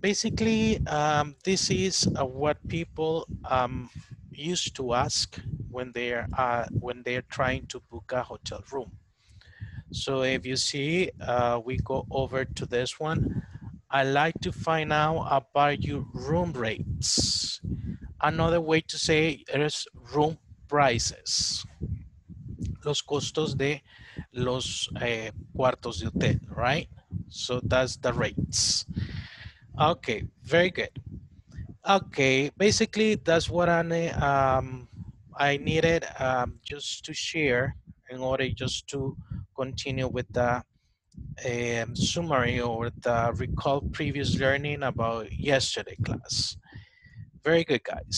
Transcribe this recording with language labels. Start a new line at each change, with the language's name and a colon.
English: Basically, this is what people used to ask when they're trying to book a hotel room. So if you see, we go over to this one. I like to find out about your room rates. Another way to say it is room prices.
Spanish: Los costos de los cuartos de hotel, right?
English: So that's the rates. Okay, very good. Okay, basically that's what I needed just to share in order just to continue with the summary or the recall previous learning about yesterday class. Very good, guys.